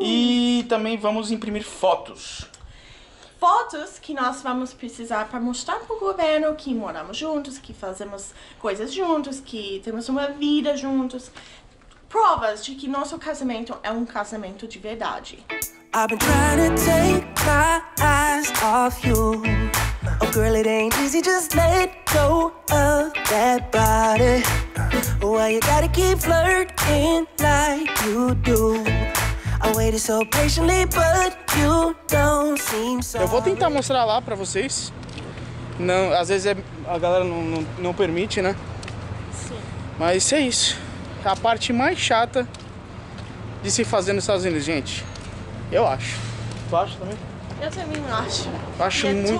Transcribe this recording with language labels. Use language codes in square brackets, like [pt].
[pt] E também vamos imprimir fotos. Fotos que nós vamos precisar para mostrar para o governo que moramos juntos, que fazemos coisas juntos, que temos uma vida juntos. Provas de que nosso casamento é um casamento de verdade. [en] I've been trying to take my eyes off you. Oh girl, it ain't easy, just let go of that body. Why you gotta keep flirting like you do? I waited so patiently, but you don't seem [pt] Eu vou tentar [en] sorry. [pt] mostrar lá pra vocês. Não, às vezes a galera não permite, né? Mas é isso. É a parte mais chata de se fazer nos Estados Unidos, gente. Eu acho. Tu acha também? Eu também acho. E Acho é muito